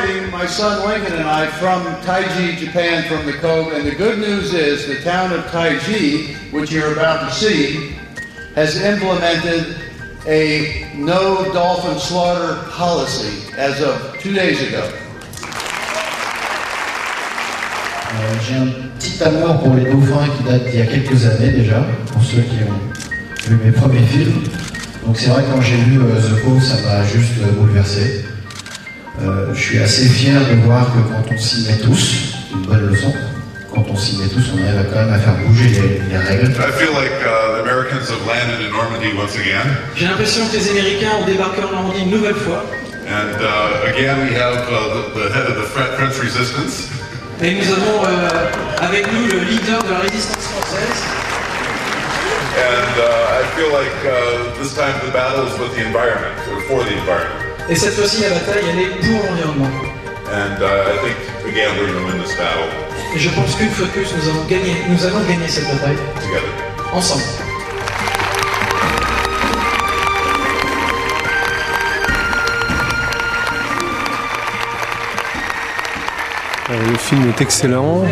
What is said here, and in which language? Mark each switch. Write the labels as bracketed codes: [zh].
[en] My son Lincoln and I from Taiji, Japan, from the Kobe, and the good news is the town of Taiji, which you're about to see, has implemented a no dolphin slaughter policy as of 2 days ago. [fr] J'ai un petit amour pour les dauphins qui date d'il y a quelques années déjà, pour ceux qui ont vu mes premiers films. Donc c'est vrai que quand j'ai lu The Kobe, ça m'a juste bouleversé. Je suis assez fier de voir que quand on s'y met tous, une bonne leçon, quand on s'y met tous, on arrive quand même à faire bouger les règles. [en] I feel like, the Americans have landed in Normandy once again. [fr] J'ai l'impression que les Américains ont débarqué en Normandie une nouvelle fois. [en] And again we have the head of the French resistance. [fr] Et nous avons avec nous le leader de la résistance française. [en] And I feel like this time the battle is with the environment, or for the environment. [fr] Et cette fois-ci, la bataille, elle est pour l'environnement. [en] And I think, again, we're going to win this battle. [fr] Et je pense qu'une fois de plus, nous allons gagner cette bataille. [en] Together. [fr] Ensemble. Le film est excellent.